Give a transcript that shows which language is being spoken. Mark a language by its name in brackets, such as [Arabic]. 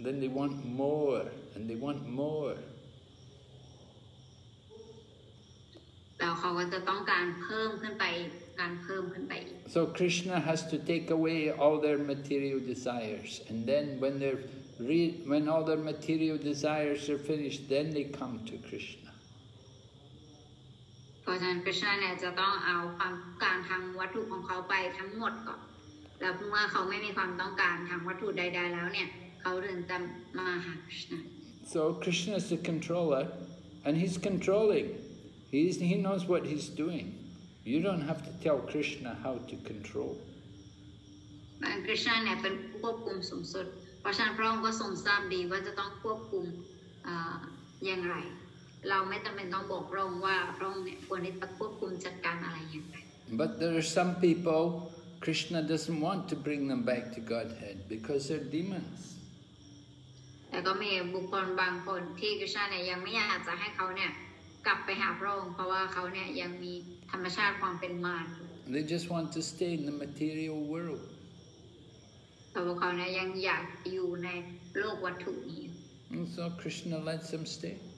[English] Then they want more and they want more [Thai] แล้วเขาก็จะต้องการเพิ่มขึ้นไปการเพิ่มขึ้นไป [English] So Krishna has to take away all their material desires and then when all their material desires are finished then they come to Krishna. [Thai] เพราะฉะนั้นคริสต์เนี่ยจะต้องเอาความการทางวัตถุของเขาไปทั้งหมดก่อนแล้วเมื่อเขาไม่มีความต้องการทางวัตถุใดๆแล้วเนี่ยเขาถึงจะมาหาคริสต์ [English] So Krishna is the controller and he's controlling he knows what he's doing you don't have to tell Krishna how to control [Thai] คริสต์เนี่ยเป็นผู้ควบคุมสูงสุดเพราะฉะนั้นพระองค์ก็ทรงทราบดีว่าจะต้องควบคุมอย่างไรเราไม่จำเป็นต้องบอกพระองค์ว่าพระองค์เนี่ยควรที่จะควบคุมจัดการอะไรอย่างไร [English] But there are some people Krishna doesn't want to bring them back to Godhead because they're demons. [Thai] แต่ก็มีบุคคลบางคนที่คริสต์เนี่ยยังไม่อยากจะให้เขาเนี่ยกลับไปหาพระองค์เพราะว่าเขาเนี่ยยังมีธรรมชาติความเป็นมาร [English] They just want to stay in the material world. [Thai] แต่พวกเขาเนี่ยยังอยากอยู่ในโลกวัตถุนี้ [English] And so Krishna lets them stay.